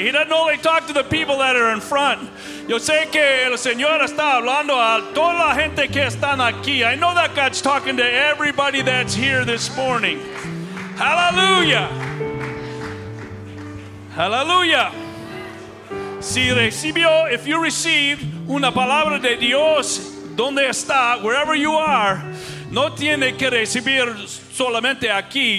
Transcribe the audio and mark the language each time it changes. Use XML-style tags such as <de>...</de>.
<en>He doesn't only talk to the people that are in front.</en> <es>Yo sé que el Señor está hablando a toda la gente que están aquí.</es> <en>I know that God's talking to everybody that's here this morning. Hallelujah.</en> <es>Hallelujah. Si recibió,</es> <en>if you received</en> <es>una palabra de Dios, donde está,</es> <en>wherever you are,</en> <es>no tiene que recibir solamente aquí.</es>